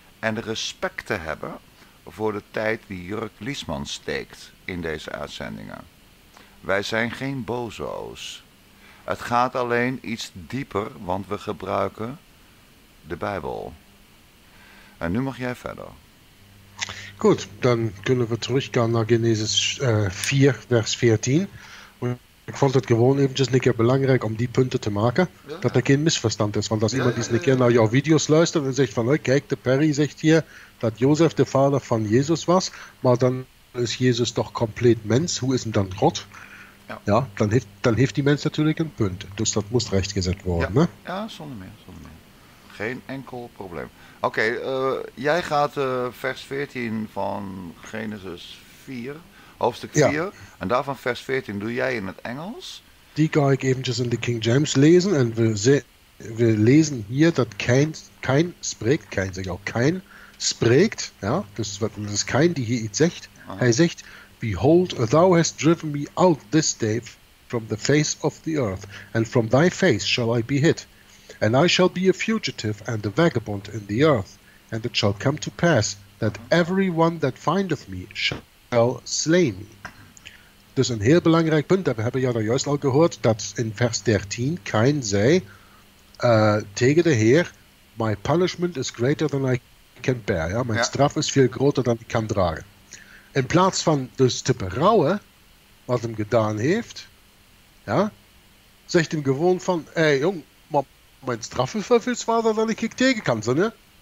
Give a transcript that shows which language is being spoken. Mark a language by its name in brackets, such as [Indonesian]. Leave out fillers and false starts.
[Dutch] En respect te hebben voor de tijd die Jurk Liesman steekt in deze uitzendingen. Wij zijn geen bozo's. Het gaat alleen iets dieper, want we gebruiken de Bijbel. En nu mag jij verder. [German] Gut, dann können wir zurückgehen nach Genesis 4, Vers 14. Ich fand es [Dutch] gewoon eventjes een keer belangrijk om die punten te maken, ja, dat er geen misverstand is. Want als iemand eens een keer naar jouw video's luistert en zegt van, kijk, de Perry zegt hier dat Jozef de vader van Jezus was, maar dan is Jezus toch compleet mens, hoe is hem dan God? Ja, ja, dan heeft die mens natuurlijk een punt. Dus dat moest rechtgezet worden. Ja, ne? Ja, zonder meer. Geen enkel probleem. Oké, jij gaat vers 14 van Genesis 4, hoofdstuk 4, ja, en daarvan vers 14 doe jij in het Engels. Die ga ik eventjes in de King James lezen en we lezen hier dat Kain spreekt, Kain zegt ook, Kain spreekt, ja, dat is Kain die hier iets zegt. Aha. Hij zegt, [English] behold, thou hast driven me out this day from the face of the earth, and from thy face shall I be hid. And I shall be a fugitive and a vagabond in the earth. And it shall come to pass that every one that findeth me shall slay me. [Dutch] Dus een heel belangrijk punt, dat we hebben ja daar juist al gehoord, dat in vers 13 Kain zei tegen de Heer, [English] my punishment is greater than I can bear. [Dutch] Ja? Mijn straf is veel groter dan ik kan dragen. In plaats van dus te berouwen wat hem gedaan heeft, ja, zegt hem gewoon van, hey jong, maar mijn straf is veel zwaarder dan ik tegen kan. Zo, ne?